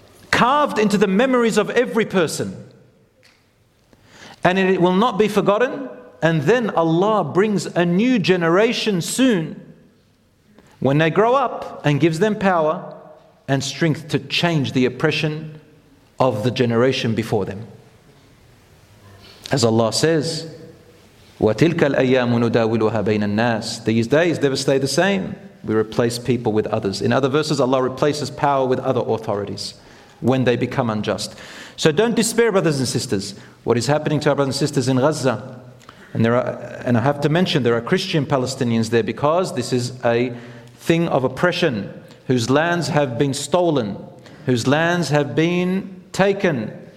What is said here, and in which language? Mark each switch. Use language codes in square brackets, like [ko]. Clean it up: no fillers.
[en] carved into the memories of every person, and it will not be forgotten. And then Allah brings a new generation soon when they grow up and gives them power and strength to change the oppression of the generation before them. As Allah says, [ar] وَتِلْكَ الْأَيَّامُ نُدَاوِلُهَا بَيْنَ النَّاسِ. [en] These days never stay the same. We replace people with others. In other verses, Allah replaces power with other authorities when they become unjust. So don't despair, brothers and sisters. What is happening to our brothers and sisters in Gaza? And I have to mention, there are Christian Palestinians there, because this is a thing of oppression, whose lands have been stolen, whose lands have been taken.